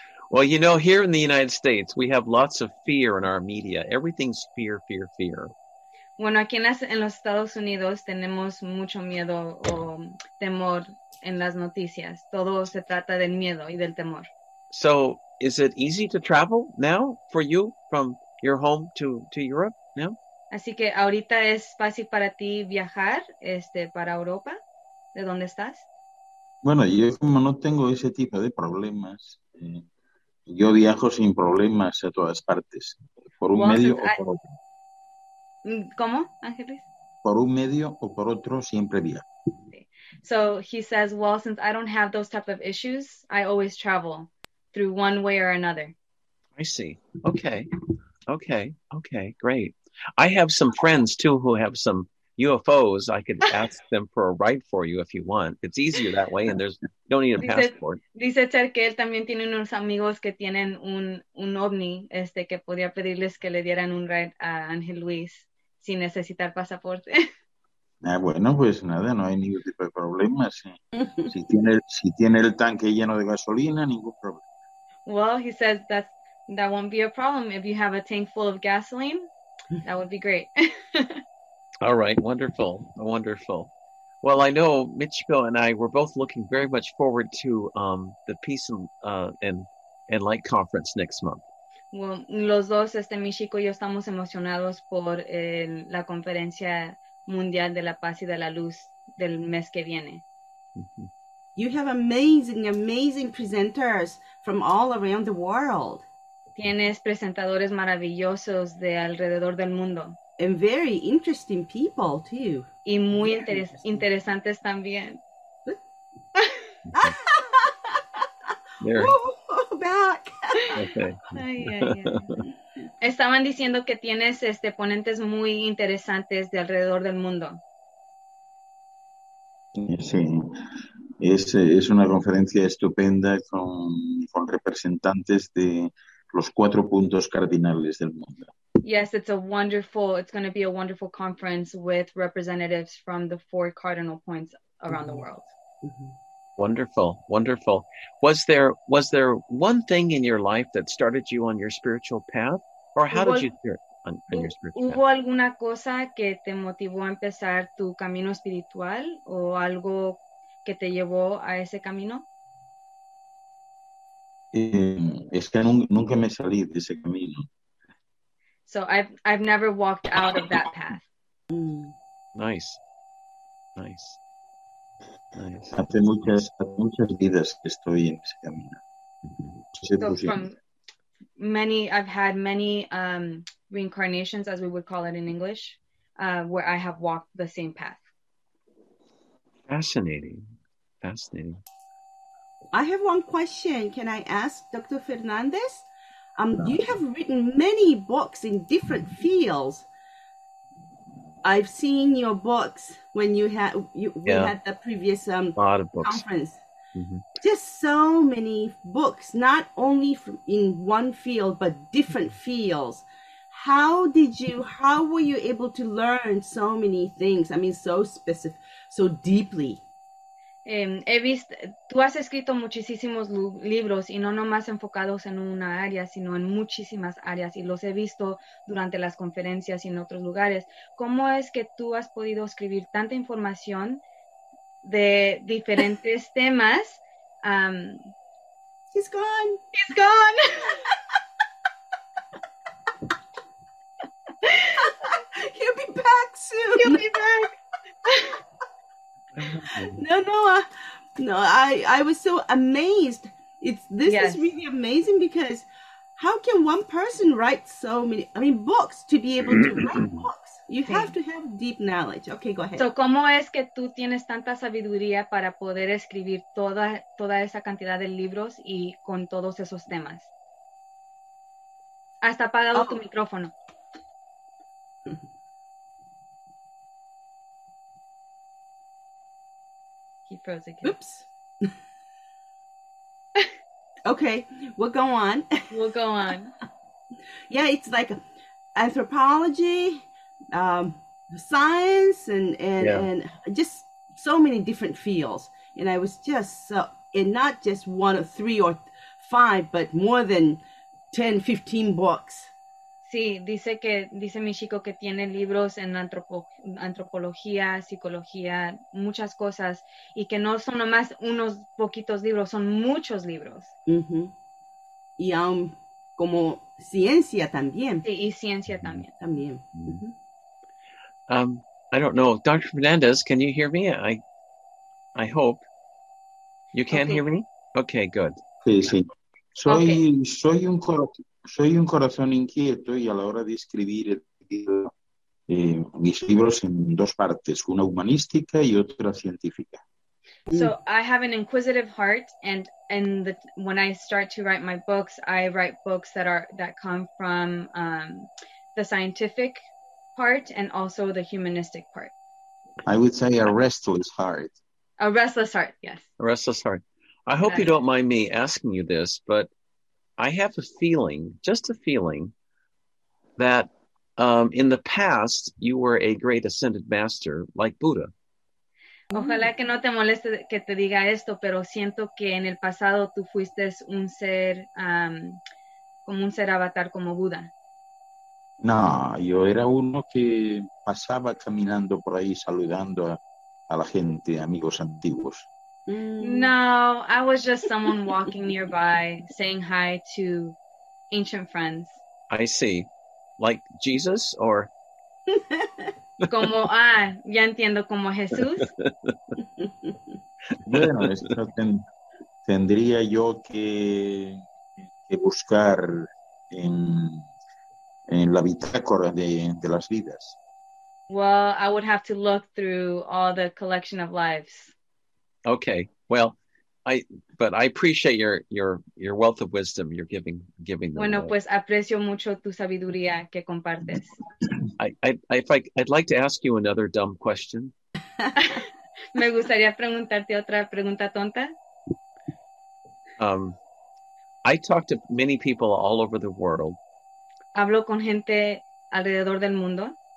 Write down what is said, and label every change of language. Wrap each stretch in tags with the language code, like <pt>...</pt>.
<en>Well, you know, here in the United States, we have lots of fear in our media. Everything's fear, fear, fear.</en> <es>Bueno, aquí en los Estados Unidos tenemos mucho miedo o temor en las noticias. Todo se trata del miedo y del temor.</es> <en>So, is it easy to travel now for you from your home to Europe now?</en> <es>Así que ahorita es fácil para ti viajar para Europa, ¿de dónde estás? Bueno, yo como no tengo ese tipo de problemas, yo viajo sin problemas a todas partes, por un medio o por otro. ¿Cómo, Ángeles? Por un medio o por otro, siempre viajo.</es> <en>So he says, well, since I don't have those type of issues, I always travel through one way or another. I see. Okay. Okay. Okay. Great. I have some friends, too, who have some UFOs. I could ask them for a ride for you if you want. It's easier that way, and there's you don't need a passport.</en> <es>Dice Ter que él también tiene unos amigos que tienen un ovni, que podría pedirles que le dieran un ride a Ángel Luis sin necesitar pasaporte. Ah, bueno, pues nada, no hay ningún tipo de problema. Si tiene el tanque lleno de gasolina, ningún problema.</es> <en>Well, he says that won't be a problem. If you have a tank full of gasoline, that would be great. All right, wonderful, wonderful. Well, I know Michiko and I were both looking very much forward to the Peace and Light Conference next month.</en> <es>Well, los dos, Michiko y yo, estamos emocionados por la conferencia mundial de la paz y de la luz del mes que viene.</es> <en>You have amazing, amazing presenters from all around the world.</en> <es>Tienes presentadores maravillosos de alrededor del mundo.</es> <en>And very interesting people too.</en> <es>Y muy interesantes también.</es> <en>There. Back. Okay.</en> <es>Estaban diciendo que tienes ponentes muy interesantes de alrededor del mundo. Sí, es una conferencia estupenda con representantes de los cuatro puntos cardinales del mundo.</es> <en>Yes, it's going to be a wonderful conference with representatives from the four cardinal points around the world. Mm-hmm. Wonderful, wonderful. Was there one thing in your life that started you on your spiritual path? Or how did you start on your spiritual</en> <es>path? ¿Hubo alguna cosa que te motivó a empezar tu camino espiritual o algo que te llevó a ese camino? Es que nunca me salí de ese camino.</es> <en>So I've never walked out of that path. Nice. Nice. Nice.</en> <es>Hace muchas vidas que estoy en ese camino.</es> <en>I've had many reincarnations, as we would call it in English, where I have walked the same path. Fascinating. Fascinating. I have one question. Can I ask Dr. Fernandez? You have written many books in different fields. I've seen your books when we had the previous lot of books. Conference. Mm-hmm. Just so many books, not only in one field, but different fields. How were you able to learn so many things? I mean, so specific, so deeply.</en> <es>Tú has escrito muchísimos libros y no nomás enfocados en una área, sino en muchísimas áreas y los he visto durante las conferencias y en otros lugares. ¿Cómo es que tú has podido escribir tanta información de diferentes temas?</es> <en>He's gone. He's gone. He'll be back soon. He'll be back. I was so amazed. Is really amazing because how can one person write so many books to be able to write books? You have to have deep knowledge. Okay, go ahead.</en> <es>So, ¿cómo es que tú tienes tanta sabiduría para poder escribir toda esa cantidad de libros y con todos esos temas? Hasta apagado tu micrófono.</es> <en>He froze again. Oops. Okay, we'll go on. We'll go on. Yeah, it's like anthropology, science, and just so many different fields. And I was just so, and not just one or three or five, but more than 10, 15 books.</en> <es>Sí, dice mi chico que tiene libros en antropología, psicología, muchas cosas, y que no son nomás unos poquitos libros, son muchos libros. Uh-huh. Y aún como ciencia también. Sí, y ciencia también. También.</es> <en>Uh-huh. I don't know. Dr. Fernandez, can you hear me? I hope. You can hear me? Okay, good.</en> <es>Sí, sí. Soy un coro. Soy un corazón inquieto y a la hora de escribir mis libros en dos partes, una humanística y otra científica.</es> <en>So I have an inquisitive heart, and when I start to write my books, I write books that come from the scientific part and also the humanistic part. I would say a restless heart. A restless heart, yes. A restless heart. I hope you don't mind me asking you this, but I have a feeling, just a feeling, that in the past you were a great ascended master like Buddha.</en> <es>Ojalá que no te moleste que te diga esto, pero siento que en el pasado tú fuiste un ser como un ser avatar como Buda. No, yo era uno que pasaba caminando por ahí saludando a la gente, amigos antiguos. No, I was just someone walking nearby, saying hi to ancient friends.</es> <en>I see. Like Jesus, or?</en> <es>Como, ya entiendo, como Jesús. Bueno, esto tendría yo que buscar en la bitácora de las vidas.</es> <en>Well, I would have to look through all the collection of lives. Okay. Well, I appreciate your wealth of wisdom you're giving them.</en> <es>Bueno, pues aprecio mucho tu sabiduría que compartes.</es> <en>I'd like to ask you another dumb question.</en> <es>Me gustaría preguntarte otra pregunta tonta.</es> <en>I talk to many people all over the world.</en> <es>Hablo con gente alrededor del mundo.</es>